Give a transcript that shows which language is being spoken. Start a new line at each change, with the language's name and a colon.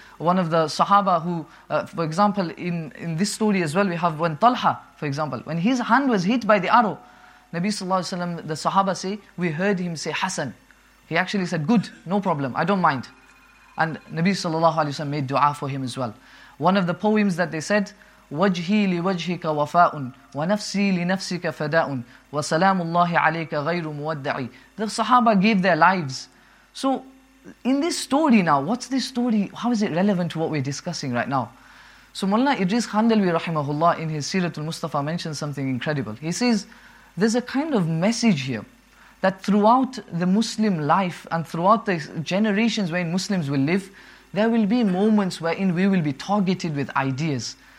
English: One of the Sahaba who, for example, in this story as well, we have when Talha, for example, when his hand was hit by the arrow, Nabi Sallallahu Alaihi Wasallam, the Sahaba say, we heard him say, Hassan. He actually said, good, no problem, I don't mind. And Nabi Sallallahu Alaihi Wasallam made dua for him as well. One of the poems that they said,
Arabic: وَجْهِي لِوَجْهِكَ وَفَاءٌ وَنَفْسِي لِنَفْسِكَ فَدَاءٌ وَسَلَامُ اللَّهِ عَلَيْكَ غَيْرُ مُوَدَّعِي.
English: The Sahaba gave their lives. So in this story now, what's this story? How is it relevant to what we're discussing right now? So Mawlana Idris Khandalwi rahimahullah in his Siratul Mustafa mentions something incredible. He says, there's a kind of message here that throughout the Muslim life and throughout the generations wherein Muslims will live, there will be moments wherein we will be targeted with ideas.